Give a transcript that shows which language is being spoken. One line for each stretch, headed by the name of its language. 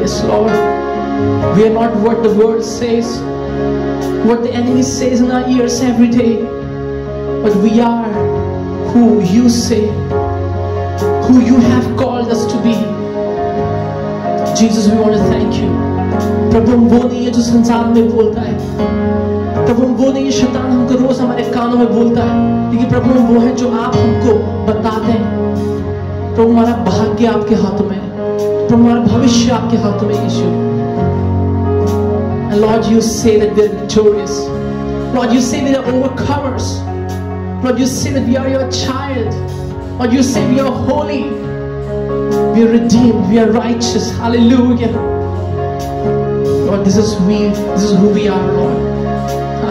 English: Yes, Lord, we are not what the world says, what the enemy says in our ears every day, but we are who you say, who you have called us to be. Jesus, we want to thank you.
Hindi: प्रभु हम वो नहीं है जो संसार में बोलता है, प्रभु हम वो नहीं है शैतान हमको रोज हमारे कानों में बोलता है, लेकिन प्रभु हम वो है जो आप हमको बताते हैं. प्रभु हमारा भाग्य आपके हाथों में, प्रभु हमारा भविष्य आपके हाथों में यीशु.
English: And Lord, you say that we are victorious. Lord, you say we are overcomers. Lord, you say that we are your child. Lord, you say we are holy. We are redeemed. We are righteous. Hallelujah. Lord, this is who we are, Lord.